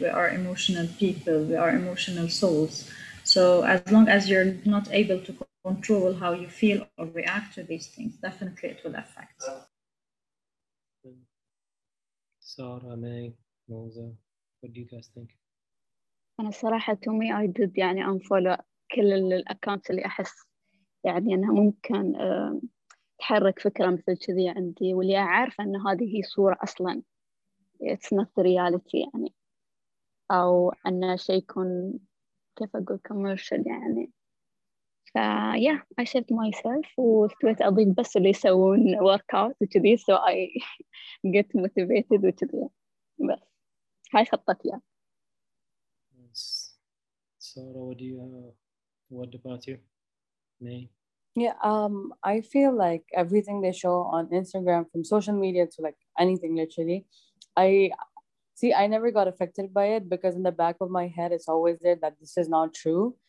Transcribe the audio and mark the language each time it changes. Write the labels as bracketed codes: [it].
[en] We are emotional people. We are emotional souls. So as long as you're not able to control how you feel or react to these things, definitely it will affect. Sara, May, Moza, what do you guys think? [ar] أنا صراحة [en] to me I did [ar] يعني unfollow كل الأكونتس اللي أحس يعني أنها ممكن تحرك فكرة مثل كذي عندي، واللي أعرف أن هذه هي صورة أصلاً [en] it's not the reality [ar] يعني، أو أن شيء يكون كيف أقول commercial يعني. ف [en] yeah I shaved myself [ar] وستويت أضيف بس اللي يسوون workout وكذي، [en] so I get motivated [ar] وكذي، بس هاي خطتي. [en] Sara, what do you what about you, May? Yeah, I feel like everything they show on Instagram, from social media to like anything, literally, I never got affected by it, because in the back of my head, it's always there that this is not true.